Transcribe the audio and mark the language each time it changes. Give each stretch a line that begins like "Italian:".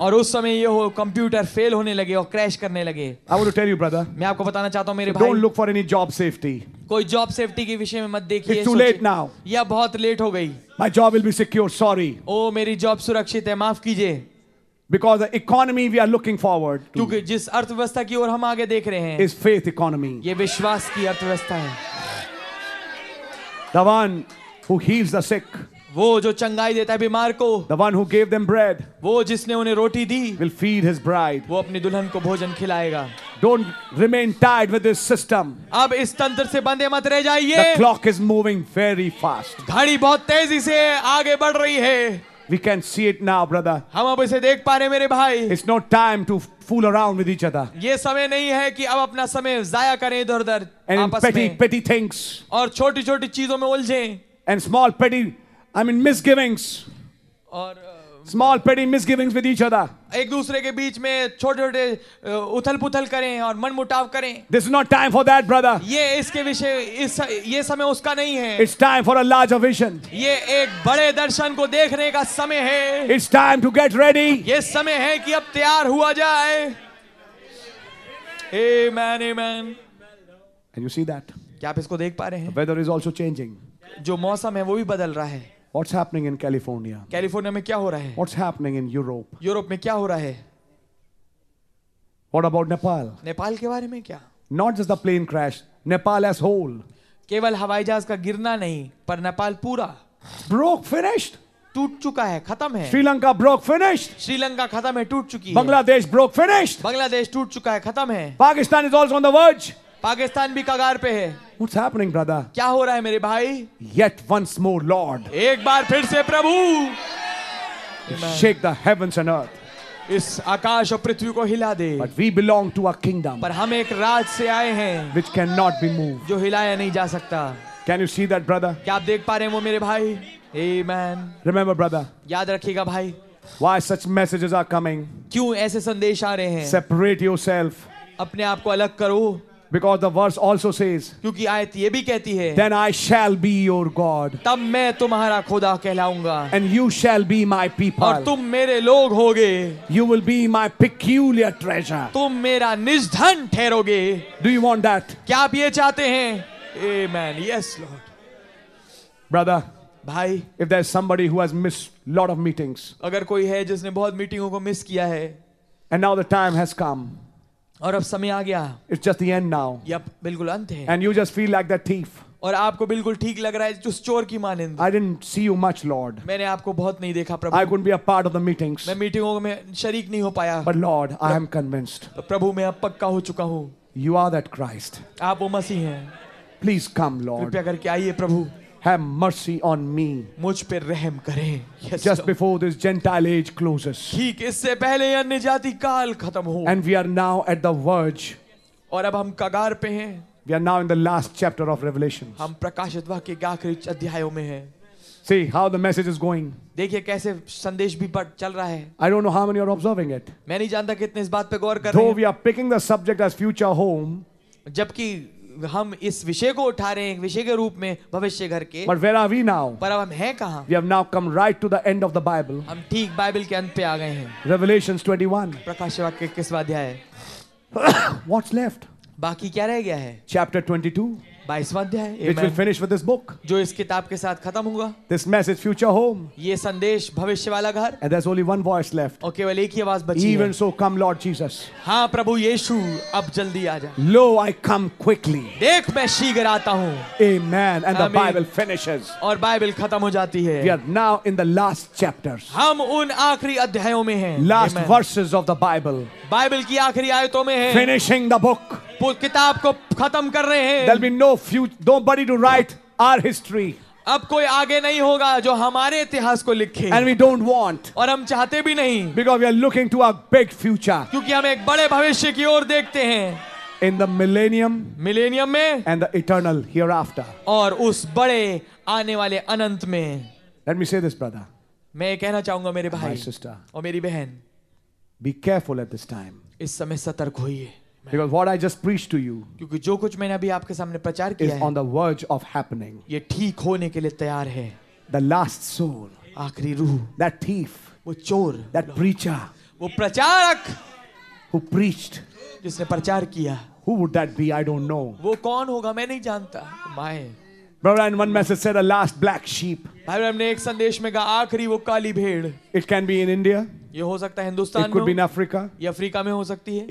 Hindi: और उस समय ये हो computer fail होने लगे और crash करने लगे.
English: I want to tell you, brother.
Hindi: मैं आपको बताना चाहता हूँ मेरे भाई.
English: Don't look for any job safety.
Hindi: कोई job safety के विषय में मत देखिए.
English: It's too late now.
Hindi: यह बहुत late हो गई.
English: My job will be secure. Sorry.
Hindi: Oh, मेरी job सुरक्षित है. माफ कीजिए.
English: Because the economy we are looking forward to.
Hindi: क्योंकि जिस अर्थव्यवस्था की ओर हम आगे देख रहे हैं.
English: Is faith economy.
Hindi: ये विश्वास की अर्थव्यवस्था है.
English: The one who heals the sick.
Hindi: वो जो चंगाई देता है बीमार को.
English: The one who gave them bread.
Hindi: वो जिसने उन्हें रोटी दी.
English: Will feed his bride.
Hindi: वो अपनी दुल्हन को भोजन खिलाएगा.
English: Don't remain tied with this system.
Hindi: अब इस तंत्र से बंधे मत रह जाइए.
English: The clock is moving very fast.
Hindi: घड़ी बहुत तेजी से आगे बढ़ रही है.
English: We can see it now, brother.
Hindi: हम अब इसे देख पा रहे हैं मेरे भाई.
English: It's no time to fool around with each other.
Hindi: ये समय नहीं है कि अब अपना समय जाया करें इधर उधर.
English: And petty things.
Hindi: और छोटी छोटी चीजों में उलझें.
English: And small petty. I mean misgivings.
Hindi: और
English: small petty misgivings with each other.
Hindi: एक दूसरे के बीच में छोटे-छोटे उथल-पुथल करें और मनमुटाव करें.
English: This is not time for that, brother.
Hindi: ये इसके विषय इस ये समय उसका नहीं है.
English: It's time for a larger vision.
Hindi: ये एक बड़े दर्शन को देखने का समय है.
English: It's time to get ready.
Hindi: ये समय है कि अब तैयार हुआ जाए.
English: Amen, amen. Can you see that?
Hindi: क्या आप इसको देख पा रहे हैं?
English: The weather is also changing.
Hindi: जो मौसम है वो भी बदल रहा है.
English: What's happening in California?
Hindi: California में क्या हो रहा है?
English: What's happening in Europe?
Hindi: Europe में क्या हो रहा है?
English: What about Nepal?
Hindi: Nepal के बारे में क्या?
English: Not just the plane crash, Nepal as whole.
Hindi: केवल हवाई जहाज का गिरना नहीं पर नेपाल पूरा.
English: Broke, finished.
Hindi: टूट चुका है, खत्म है.
English: Sri Lanka broke, finished.
Hindi: श्रीलंका खत्म है, टूट चुकी है.
English: Bangladesh broke, finished.
Hindi: बांग्लादेश टूट चुका है, खत्म है.
English: Pakistan is also on the verge.
Hindi: Pakistan भी कगार पे है.
English: What's happening, brother?
Hindi: क्या हो रहा है मेरे भाई?
English: Yet once more, Lord.
Hindi: एक बार फिर से प्रभु.
English: Shake the heavens and earth.
Hindi: इस आकाश और पृथ्वी को हिला दे.
English: But we belong to a kingdom.
Hindi: पर हम एक राज से आए हैं.
English: Which cannot be moved.
Hindi: जो हिलाया नहीं जा सकता.
English: Can you see that, brother?
Hindi: क्या आप देख पा रहे हैं वो मेरे भाई?
English: Amen. Remember, brother.
Hindi: याद रखिएगा भाई.
English: Why such messages are coming?
Hindi: क्यों ऐसे संदेश आ रहे हैं?
English: Separate yourself.
Hindi: अपने आप को अलग करो.
English: Because the verse also says,
Hindi: क्योंकि आयत ये भी कहती है,
English: then I shall be your God,
Hindi: तब मैं तुम्हारा खुदा कहलाऊंगा,
English: and you shall be my people,
Hindi: और तुम मेरे लोग होगे,
English: you will be my peculiar treasure,
Hindi: तुम मेरा निजधन ठहरोगे.
English: Do you want that?
Hindi: क्या आप ये चाहते हैं?
English: Amen. Yes, Lord. Brother.
Hindi: भाई.
English: If there's somebody who has missed lot of meetings,
Hindi: अगर कोई है जिसने बहुत मीटिंगों को मिस किया है,
English: and now the time has come.
Hindi: और अब समय आ गया.
English: It's just the end now.
Hindi: यह बिल्कुल अंत है.
English: And you just feel like that thief.
Hindi: और आपको बिल्कुल ठीक लग रहा है उस चोर की मानिंद.
English: I didn't see you much, Lord.
Hindi: मैंने आपको बहुत नहीं देखा प्रभु.
English: I couldn't be a part of the meetings.
Hindi: मैं मीटिंगों में शरीक नहीं हो पाया.
English: But Lord, I am convinced.
Hindi: प्रभु मैं अब पक्का हो चुका हूँ.
English: You are that Christ.
Hindi: आप वो मसीह हैं.
English: Please come, Lord.
Hindi: कृपया करके आइए प्रभु.
English: Have mercy on me.
Hindi: मुझ पे रहम करें.
English: Yes, just so. Before this Gentile age closes.
Hindi: ठीक इससे पहले अन्य जाति काल खत्म हो.
English: And we are now at the verge.
Hindi: और अब हम कगार पे हैं.
English: We are now in the last chapter of Revelation.
Hindi: हम प्रकाशित वाक्य के आखिरी अध्यायों में हैं.
English: See how the message is going.
Hindi: देखिए कैसे संदेश भी चल रहा है.
English: I don't know how many are observing it.
Hindi: मैं नहीं जानता कितने इस बात पे गौर कर रहे हैं.
English: Though we are picking the subject as future home.
Hindi: जबकि हम इस विषय को उठा रहे हैं विषय के रूप में भविष्य घर के.
English: But where are we now?
Hindi: पर अब हम हैं कहाँ?
English: We have now come right to the end of the Bible.
Hindi: हम ठीक बाइबल के अंत पे आ गए हैं.
English: Revelations 21.
Hindi: प्रकाशवाक्य किस अध्याय है?
English: What's left?
Hindi: बाकी क्या रह गया है?
English: Chapter 22.
Hindi: 22वां अध्याय.
English: Which will finish with this book.
Hindi: जो इस किताब के साथ खत्म होगा.
English: This message future home.
Hindi: ये संदेश भविष्य वाला घर.
English: And there's only one voice left.
Hindi: और केवल एक ही आवाज बची.
English: Even so, come Lord Jesus.
Hindi: हाँ प्रभु यीशु अब जल्दी आ जा.
English: Lo, I come quickly.
Hindi: देख मैं शीघ्र आता हूँ.
English: Amen. And the Bible finishes.
Hindi: और बाइबल खत्म हो जाती है.
English: We are now in the last chapters.
Hindi: हम उन आखिरी अध्यायों में हैं.
English: Last verses of the Bible.
Hindi: Bible की आखिरी आयतों में हैं.
English: Finishing the book.
Hindi: किताब को खत्म कर रहे हैं.
English: There'll be no future, nobody to write our history.
Hindi: अब कोई आगे नहीं होगा जो हमारे इतिहास को लिखे.
English: And we don't want.
Hindi: और हम चाहते भी नहीं.
English: Because we are looking to a big future.
Hindi: क्योंकि हम एक बड़े भविष्य की ओर देखते हैं.
English: In the millennium.
Hindi: Millennium में.
English: And the eternal hereafter.
Hindi: और उस बड़े आने वाले अनंत में.
English: Let me say this, brother.
Hindi: मैं कहना चाहूँगा मेरे भाई.
English: My sister.
Hindi: और मेरी बहन.
English: Be careful at this time.
Hindi: इस समय सतर्क होइए.
English: Because what I just preached to you,
Hindi: क्योंकि जो कुछ मैंने अभी आपके सामने प्रचार किया है,
English: is on the verge of happening.
Hindi: ये ठीक होने के लिए तैयार है.
English: The last soul,
Hindi: आखरी रूह.
English: That thief,
Hindi: वो चोर.
English: That preacher,
Hindi: वो प्रचारक.
English: Who preached,
Hindi: जिसने प्रचार किया.
English: Who would that be? I don't know.
Hindi: वो कौन होगा? मैं नहीं जानता. My.
English: Brother, in one message said the last black sheep.
Hindi: भाई हमने एक संदेश में कहा आखरी वो काली भेड़.
English: It can be in India.
Hindi: ये हो सकता है हिंदुस्तान में.
English: It could be in Africa.
Hindi: ये अफ्रीका में हो सकती है.